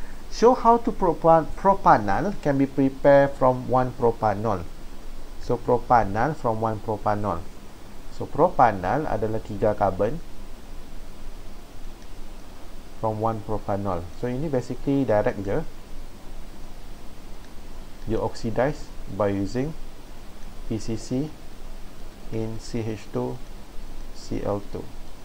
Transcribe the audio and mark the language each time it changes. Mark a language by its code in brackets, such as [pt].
[en] Show how to propanal can be prepared from one propanol. So propanal from one propanol. [ms] So propanal adalah 3 karbon [en] from one propanol. [ms] So ini basically direct je. [en] You oxidize by using PCC in CH2Cl2.